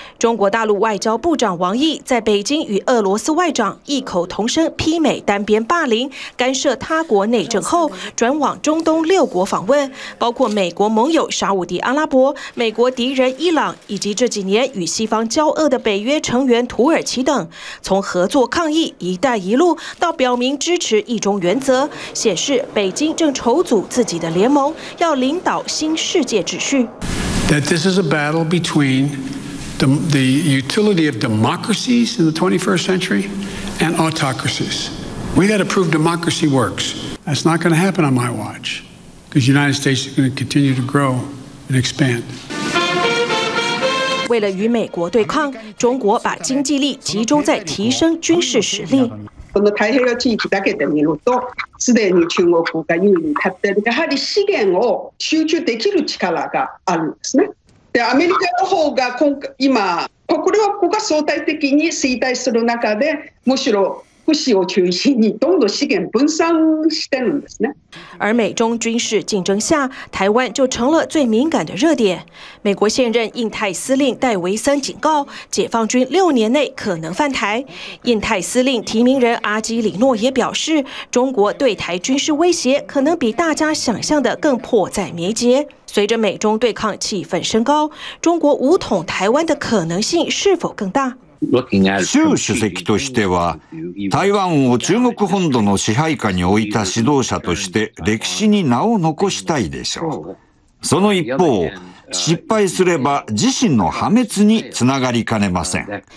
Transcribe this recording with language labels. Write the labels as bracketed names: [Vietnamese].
[Chinese] 中国大陆外交部长王毅在北京与俄罗斯外长异口同声批美单边霸凌、干涉他国内政后，转往中东6国访问，包括美国盟友沙烏地阿拉伯、美国敌人伊朗，以及这几年与西方交恶的北约成员土耳其等。从合作抗议一带一路到表明支持一中原则，显示北京正筹组自己的联盟，要领导新世界秩序。 [English] That this is a battle between the utility of democracies in the 21st century and autocracies. We got to prove democracy works. That's not going to happen on my watch, because the United States is going to continue to grow and expand. [Chinese] 为了与美国对抗，中国把经济力集中在提升军事实力。 [Japanese] この太平洋地域だけで見ると、すでに中国が優位に立っている。やはり資源を集中できる力があるんですね。で、アメリカの方が今、これはここが相対的に衰退する中で、むしろ不死を中心にどんどん資源分散してるんですね。 [Chinese] 而美中军事竞争下，台湾就成了最敏感的热点。美国现任印太司令戴维森警告，解放军6年内可能犯台。印太司令提名人阿基里诺也表示，中国对台军事威胁可能比大家想象的更迫在眉睫。随着美中对抗气氛升高，中国武统台湾的可能性是否更大？ [Japanese] 習主席としては台湾を中国本土の支配下に置いた指導者として歴史に名を残したいでしょう。その一方、失敗すれば自身の破滅につながりかねません。